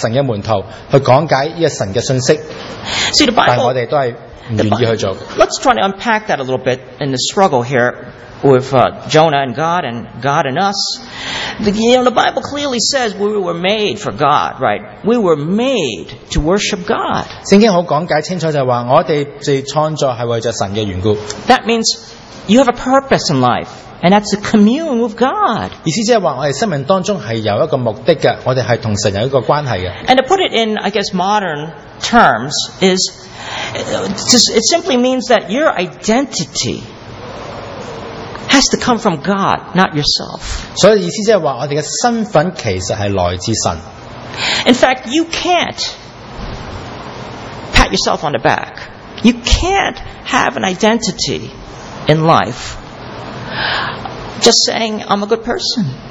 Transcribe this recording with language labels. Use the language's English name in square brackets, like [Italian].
[Chinese] 但是叫我们去做万民，去做神的门徒，去讲解神的信息。 [English] See, the Bible, [Chinese] 但我们都是不愿意去做。 [English] Let's try to unpack that a little bit in the struggle here with Jonah and God and God and us. The Bible clearly says we were made for God, right? We were made to worship God. [Chinese] 圣经很讲解清楚，就是说我们被创造是为了神的缘故。 [English] That means you have a purpose in life, and that's to commune with God. [Chinese] 意思就是说我们生命当中是有一个目的的，我们是跟神有一个关系的。 [English] And to put it in, I guess, modern terms, is it simply means that your identity has to come from God, not yourself. [Chinese] 所以意思就是说我们的身份其实是来自神。 [English] In fact, you can't pat yourself on the back. You can't have an identity in life just saying, I'm a good person.